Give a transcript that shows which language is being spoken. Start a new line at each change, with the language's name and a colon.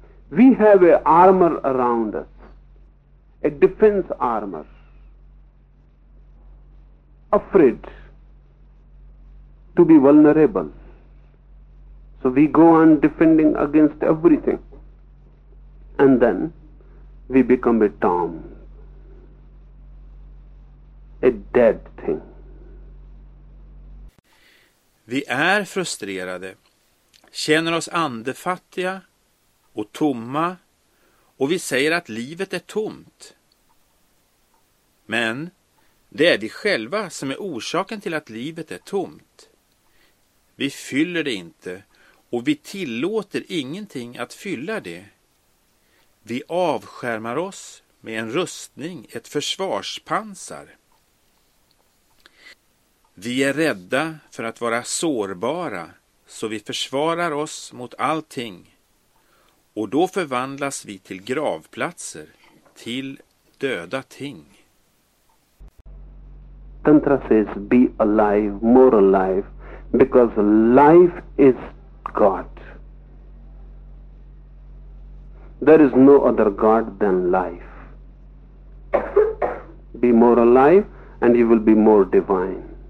English: We have an armor around us, a defense armor. Afraid, to be vulnerable. So we go on defending against everything, and then we become a tomb, a dead thing.
Swedish: Vi är frustrerade, känner oss andefattiga och tomma, och vi säger att livet är tomt. Men det är vi själva som är orsaken till att livet är tomt. Vi fyller det inte, och vi tillåter ingenting att fylla det. Vi avskärmar oss med en rustning, ett försvarspansar. Vi är rädda för att vara sårbara, så vi försvarar oss mot allting. Och då förvandlas vi till gravplatser, till döda ting.
English: Tantra says be alive, more alive, because life is God. There is no other God than life. Be more alive and you will be more divine.